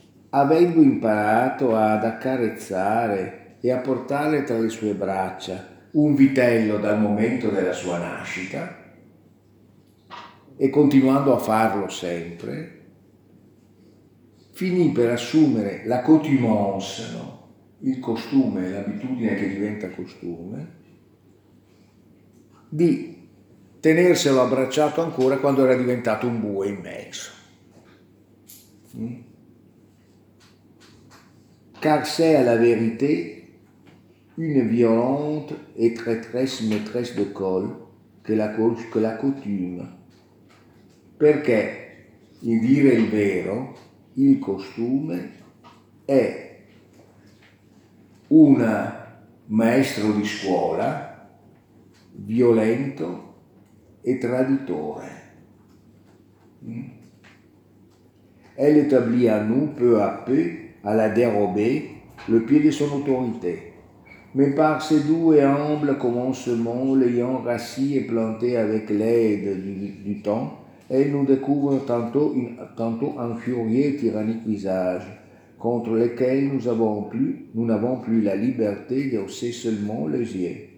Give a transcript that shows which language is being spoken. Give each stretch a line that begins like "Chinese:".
Italian: avendo imparato ad accarezzare e a portare tra le sue braccia un vitello dal momento della sua nascita e continuando a farlo sempre, finì per assumere la coutumance, no? Il costume, l'abitudine che diventa costume, di tenerselo abbracciato ancora quando era diventato un bue immenso.
French: Car c'est à la vérité une violente et traîtresse maîtresse de col que la coutume.
Italian: Perché, in dire il vero, il costume è un maestro di scuola violento e traditore.
French: Elle établit à nous peu à peu à la dérobée le pied de son autorité, mais par ses doux et humbles commencements, l'ayant rassis et planté avec l'aide du temps, elle nous découvre tantôt un furieux et tyrannique visage, contre lesquels nous n'avons plus la liberté de hausser seulement les yeux.